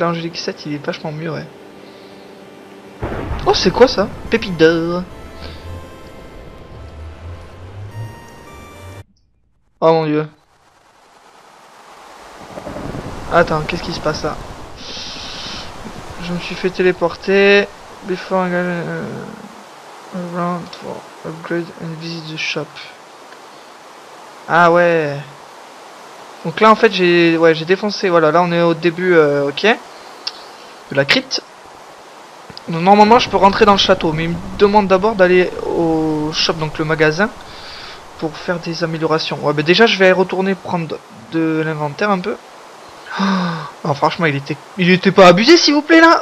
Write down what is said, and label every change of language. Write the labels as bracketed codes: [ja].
[fr] L'Angélique 7 il est vachement mieux. Ouais. Oh, c'est quoi ça? Pépite d'or. Oh mon dieu, attends, qu'est-ce qui se passe là? Je me suis fait téléporter. [en] Before I get around for upgrade and visit the shop. [fr] Ah ouais. Donc là en fait j'ai défoncé. Voilà, là on est au début, ok. de la crypte. Normalement, je peux rentrer dans le château, mais il me demande d'abord d'aller au shop, donc le magasin, pour faire des améliorations. Ouais, mais déjà, je vais retourner prendre de l'inventaire un peu. Oh, franchement, il était pas abusé, s'il vous plaît, là.